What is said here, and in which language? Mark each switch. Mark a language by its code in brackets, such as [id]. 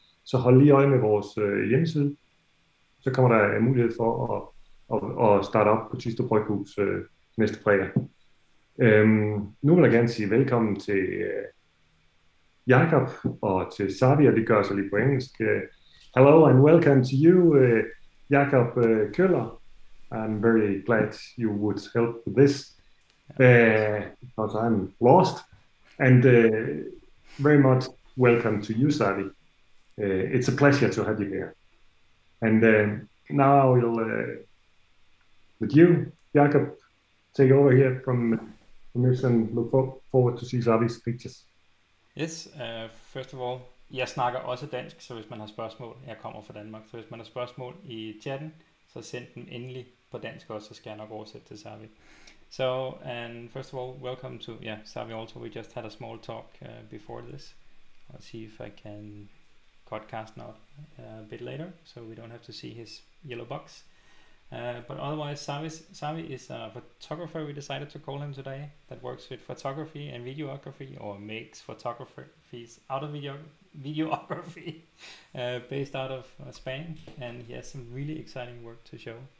[da] Så hold lige øje med vores hjemmeside. Så kommer der mulighed for at starte op på Thisted Bryghus næste fredag. Nu vil jeg gerne sige velkommen til Jakob og til Xavi, og det gør sig lige på engelsk. [en] Hello and welcome to you, Jakob Køller. I'm very glad you would help with this. Because I'm lost. And very much welcome to you, Xavi. It's a pleasure to have you here. And now we'll, with you, Jakob, take over here from this and look forward to see Xavi's pictures. Yes, first of all, [da] jeg snakker også dansk, så hvis man har spørgsmål, jeg kommer fra Danmark, så hvis man har spørgsmål i chatten, så send dem endelig på dansk også, så skal jeg nok oversætte til Xavi. [en] So, and first of all, welcome to, yeah, Xavi also, we just had a small talk before this. I'll see if I can podcast now a bit later, so we don't have to see his yellow box. But otherwise, Xavi is a photographer, we decided to call him today, that works with photography and videography, or makes photographies out of videography, based out of Spain, and he has some really exciting work to show.